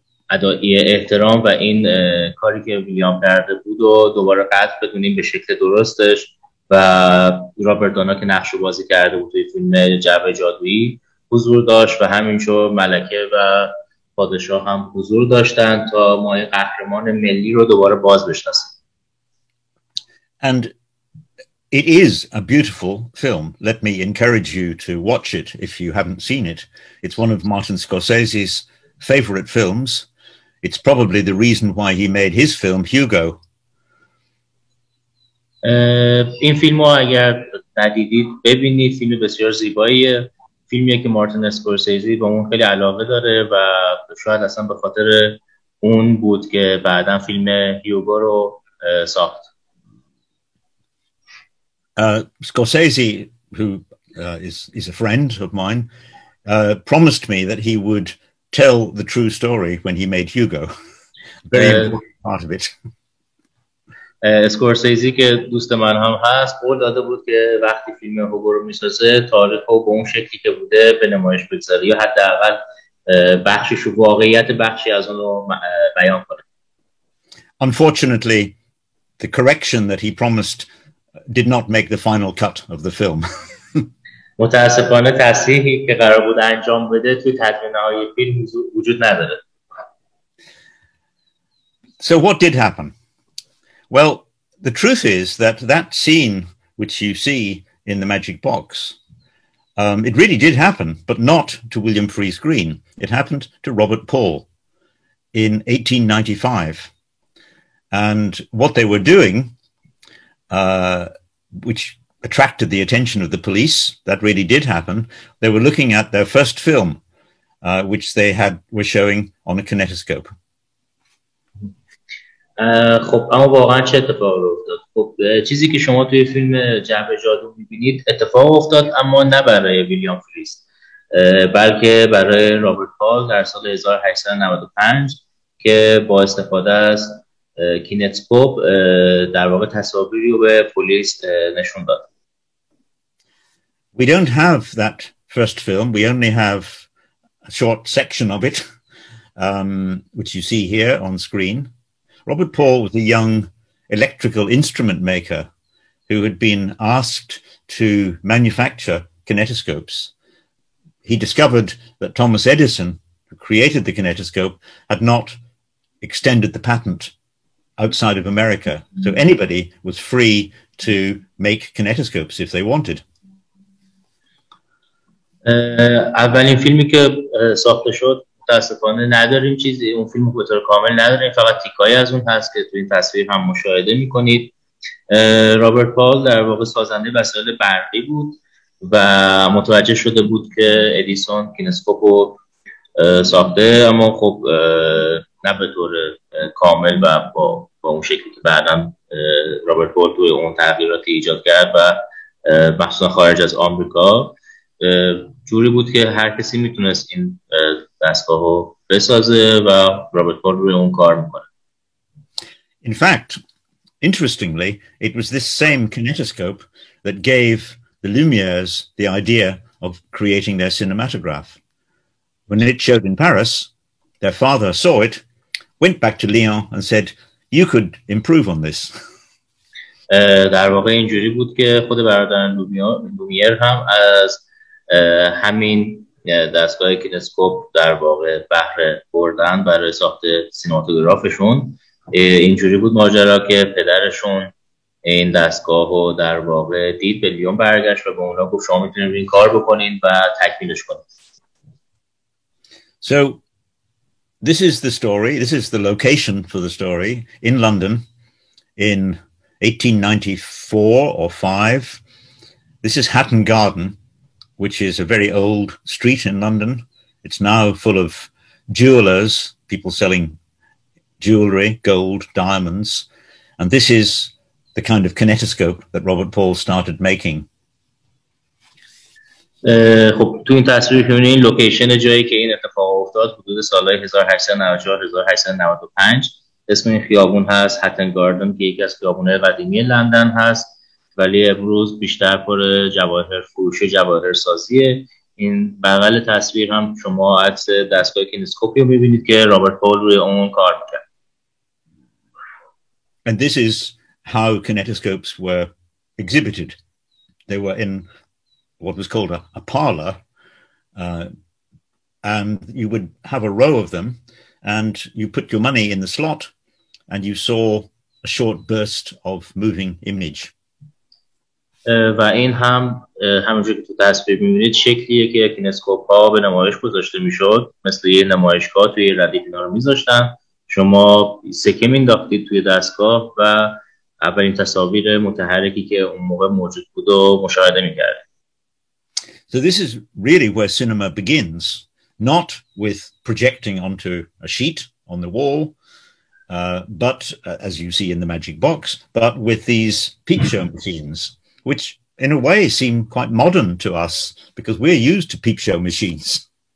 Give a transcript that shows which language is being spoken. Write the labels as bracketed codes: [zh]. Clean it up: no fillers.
[fa] ادای احترام و این کاری که ویلیام کرده بود و دوباره قدر بدونیم به شکل درستش، و رابرت دانا که نقش رو بازی کرده بود توی فیلم جعبه جادویی حضور داشت و همینجور ملکه و پادشاه هم حضور داشتن تا ما این قهرمان ملی رو دوباره باز بشناسیم. [en] And it is a beautiful film. Let me encourage you to watch it if you haven't seen it. It's one of Martin Scorsese's favorite films. It's probably the reason why he made his film Hugo. [fa] این فیلمو اگر ندیدید ببینید، فیلم بسیار زیباییه، فیلمیه که مارتین اسکورسیزی به اون خیلی علاقه داره و شاید اصلا به خاطر اون بود که بعداً فیلم هیوگو رو ساخت. [en] Scorsese, who is a friend of mine, promised me that he would tell the true story when he made Hugo. Very important part of it. [fa] اسکورسیزی که دوست من هم هست قول داده بود که وقتی فیلم هوگو رو می‌سازه تاریخ رو به اون شکلی که بوده به نمایش بگذاره، یا حداقل بخشش و واقعیت بخشی از اون رو بیان کنه. [en] Unfortunately, the correction that he promised did not make the final cut of the film. [fa] متاسفانه تصحیحی که قرار بود انجام بده توی تدوین نهایی فیلم وجود نداره. [en] So what did happen? Well, the truth is that that scene which you see in The Magic Box, it really did happen, but not to William Freese Green. It happened to Robert Paul in 1895. And what they were doing, which attracted the attention of the police, that really did happen. They were looking at their first film, which they had were showing on a kinetoscope. [fa] خب اما واقعا چه اتفاق رو افتاد؟ خب چیزی که شما توی فیلم جعبه جادو میبینید اتفاق افتاد، اما نه برای ویلیام فریز، بلکه برای رابرت پال در سال 1895 که با استفاده از کینتسکوپ در واقع تصاویری رو به پلیس نشون داد. [en] We don't have that first film. We only have a short section of it, which you see here on screen. Robert Paul was a young electrical instrument maker who had been asked to manufacture kinetoscopes. He discovered that Thomas Edison, who created the kinetoscope, had not extended the patent outside of America. So anybody was free to make kinetoscopes if they wanted. [fa] اولین فیلمی که ساخته شد متاسفانه نداریم چیزی، اون فیلم به طور کامل نداریم، فقط تیکایی از اون هست که توی این تصویر هم مشاهده میکنید. رابرت پال در واقع سازنده وسایل برقی بود و متوجه شده بود که ادیسون کینسکوپ رو ساخته، اما خب نه به طور کامل و با اون شکلی که بعدا رابرت پال توی اون تغییراتی ایجاد کرد و مخصوصا خارج از آمریکا. جوری بود که هر کسی میتونست این دستگاهو بسازه و رابرت پال روی اون کار میکنه. [en] In fact, interestingly, it was this same kinetoscope that gave the Lumières the idea of creating their cinematograph. When it showed in Paris, Their father saw it, went back to Leon and said, "You could improve on this." [fa] در واقع اینجوری بود که خود برادران لومیر هم از همین دستگاه کینسکوپ در واقع بهره بردن برای ساخت سینماتوگرافشون. اینجوری بود ماجرا که پدرشون این دستگاه رو در واقع دید به لیون برگشت و به اونا گفت شما میتونید این کار بکنین و تکمیلش کنید. [en] So this is the story, this is the location for the story in London in 1894 or 5. This is Hatton Garden, which is a very old street in London. It's now full of jewelers, people selling jewelry, gold, diamonds. And this is the kind of kinetoscope that Robert Paul started making. [fa] خب تو این تصویر که می‌بینید لوکیشن جایی که این اتفاق افتاد حدود سال‌های 1894-1895 اسم این خیابون هست هاتن گاردن که یکی از خیابون‌های قدیمی لندن هست ولی امروز بیشتر پر جواهر فروشی جواهر سازیه. این بغل تصویر هم شما عکس دستگاه کینسکوپی رو می‌بینید که رابرت پول روی اون کار می‌کرد. [en] And this is how kinetoscopes were exhibited. They were in what was called a parlor, and you would have a row of them, and you put your money in the slot, and you saw a short burst of moving image. [fa] و این هم همونجور که تو تصویر می‌بینید شکلیه که کینسکوپ ها به نمایش گذاشته می‌شد، مثل یه نمایشگاه توی ردیف اینا رو می‌ذاشتن، شما سکه می‌انداختید توی دستگاه و اولین تصاویر متحرکی که اون موقع موجود بود و مشاهده می‌کردید. [en] So this is really where cinema begins, not with projecting onto a sheet on the wall, but as you see in the magic box, but with these peep show machines, which in a way seem quite modern to us because we're used to peep show machines.